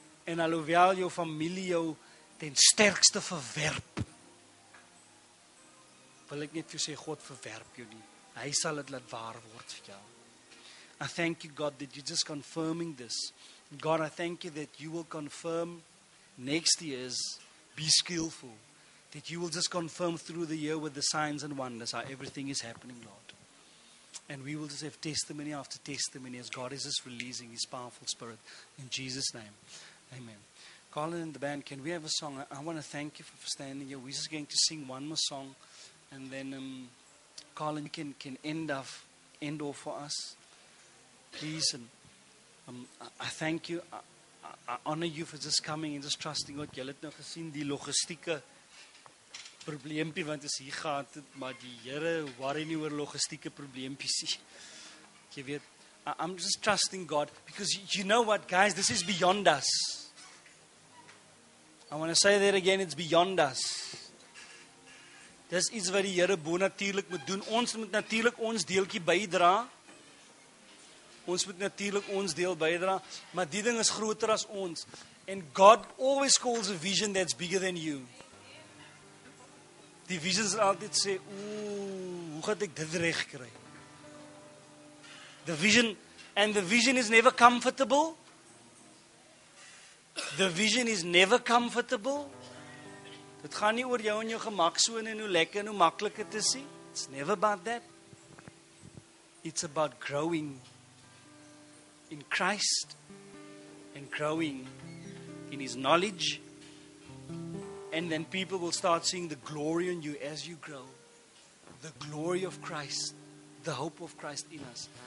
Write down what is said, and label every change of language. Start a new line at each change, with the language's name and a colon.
Afrikaans: En alhoewel jou familie jou ten sterkste verwerp, wil ek net vir jou sê, God verwerp jou nie. Hy sal het laat waar word vir jou.
English: I thank you God that you're just confirming this. God, I thank you that you will confirm next year's be skillful. That you will just confirm through the year with the signs and wonders how everything is happening, Lord. And we will just have testimony after testimony as God is just releasing his powerful spirit in Jesus' name. Amen. Colin and the band, can we have a song? I want to thank you for standing here. We're just going to sing one more song. And then Colin can end off for us. Please. And I thank you. I honor you for just coming and just trusting God.
Afrikaans: Jy het nou gesien die logistieke probleempie, want is hier gehad het, maar die Here worry nie oor logistieke probleempies. Jy weet,
English: I'm just trusting God. Because you know what, guys? This is beyond us. I want to say that again, it's beyond us.
Afrikaans: Dis iets wat die Here bo natuurlik moet doen. Ons moet natuurlik ons deeltjie bydra. Ons moet natuurlik ons deel bydra. Maar die ding is groter as ons.
English: And God always calls a vision that's bigger than you.
Afrikaans: Die visions altyd sê, ooh, hoe gaat ek dit recht kry?
English: The vision And the vision is never comfortable. The vision is never comfortable.
Afrikaans: Dit gaan nie oor jou en jou gemaksone en hoe lekker en hoe maklik dit is nie.
English: It's never about that. It's about growing in Christ and growing in His knowledge. And then people will start seeing the glory in you as you grow. The glory of Christ, the hope of Christ in us.